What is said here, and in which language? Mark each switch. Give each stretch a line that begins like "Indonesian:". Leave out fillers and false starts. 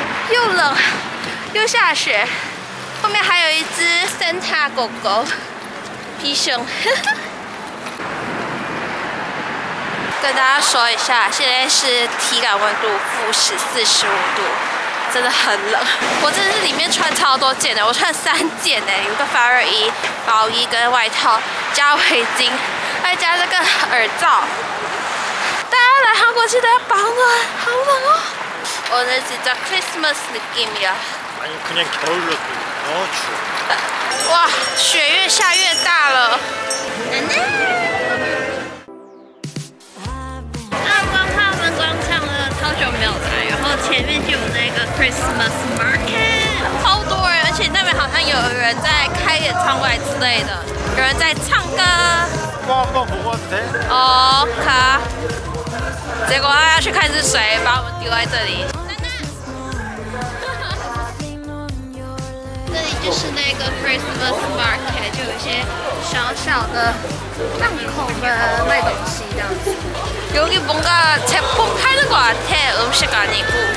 Chinese: 又冷又下雪，后面还有一只 Santa 狗狗皮熊，跟大家说一下，现在是体感温度-45°。真的很冷，我真的是里面穿超多件的，我穿3件哎，有个发热衣、毛衣跟外套，加围巾，再加这个耳罩。大家来韩国记得要保暖，好冷哦。
Korean: 오늘진짜 Christmas 느낌이야。 아니그냥겨울느낌너무추
Chinese: 워。 哇，雪越下越大了。啊，光化门广场了，超久没有来。然后前面就有那个 Christmas Market， 超多人，而且那边好像有人在开演唱会之类的，有人在唱歌。我不会玩的。哦，卡。结果他要去看是谁，把我们丢在这里。这里就是那个 Christmas Market， 就有一些小小的档口们卖东西这样子。
Korean: 여기뭔가제품파는것같아음식아니고